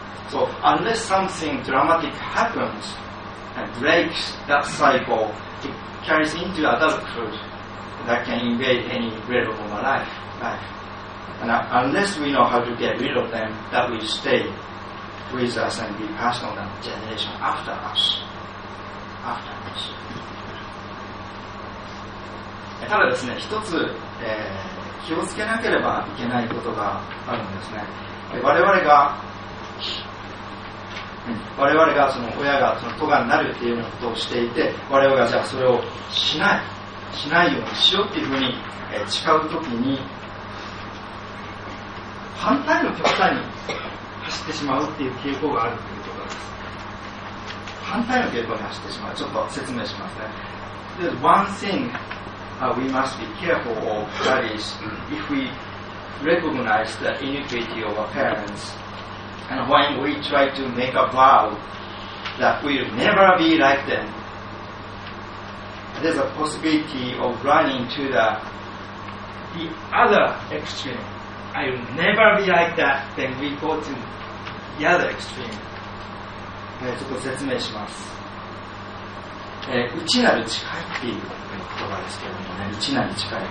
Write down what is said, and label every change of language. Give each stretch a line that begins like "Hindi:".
English: So unless something dramatic happens and breaks that cycle, it carries into adulthood that can invade any realm of my life. And unless we know how to get rid of them, that will stay with us and be passed on to the generation after us. After us.
Japanese: ただですね、一つ、気をつけなければいけないことがあるんですね。我々がうん、我々がその親がその咎になるっていうようなことをしていて、我々がじゃあそれをしないようにしようっていうふうに誓うときに、反対の極端に走ってしまうっていう傾向があるということです。反対の傾向に走ってしまう、ちょっと説明しますね。
English: There's one thing、we must be careful of, that is if we recognize the iniquity of our parents and when we try to make a vow that we'll never be like them, there's a possibility of running to the other extreme. I'll never be like that, then we go to the other extreme.
Japanese: ちょっと説明します。内なる誓いっていう言葉ですけどもね、内なる誓い。